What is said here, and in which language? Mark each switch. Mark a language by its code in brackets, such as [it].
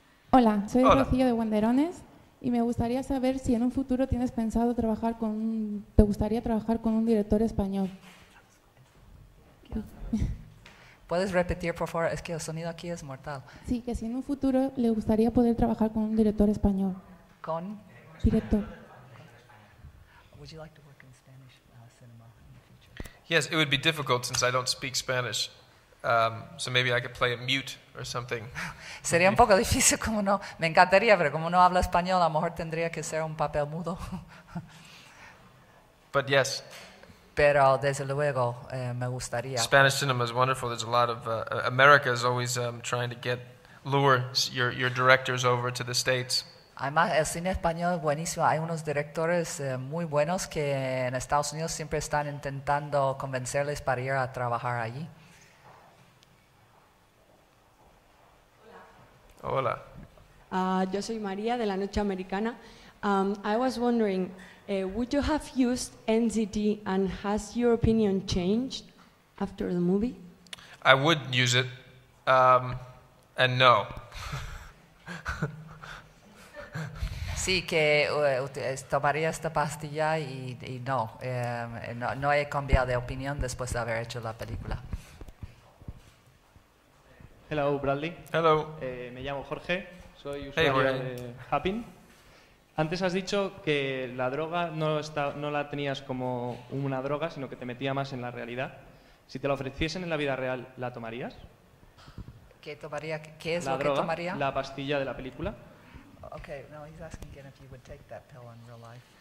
[es] Hola, soy Rocío de Guanderones y me gustaría saber si en un futuro tienes pensado trabajar con un, te gustaría trabajar con un director español. ¿Puedes repetir, por favor? Es que el sonido aquí es mortal. Sí, que si en un futuro le gustaría poder trabajar con un director español. ¿Con? Director. [en] Would you like to work in Spanish cinema in the future? Yes, it would be difficult since I don't speak Spanish. So maybe I could play a mute or something. [es] Sería un poco difícil, como no. Me encantaría, pero como no habla español, a lo mejor tendría que ser un papel mudo. [en] But yes. [es] Pero desde luego, me gustaría. [en] Spanish cinema is wonderful. There's a lot of America is always trying to get lure your directors over to the States. [es] Además, el cine español es buenísimo. Hay unos directores muy buenos que en Estados Unidos siempre están intentando convencerles para ir a trabajar allí. Hola. Yo soy María de La Noche Americana. [en] I was wondering, would you have used NZT and has your opinion changed after the movie? I would use it, and no. [es] Sí, que tomaría esta pastilla y no, no he cambiado de opinión después de haber hecho la película. [en] Hello, Bradley. Hello. [es] Me llamo Jorge, soy usuario de Happin. Antes has dicho que la droga no la tenías como una droga, sino que te metía más en la realidad. Si te la ofreciesen en la vida real, ¿la tomarías? ¿Qué tomaría? ¿Qué es la lo droga, que tomaría? La pastilla de la película. [en] Okay, now he's asking again if you would take that pill in real life.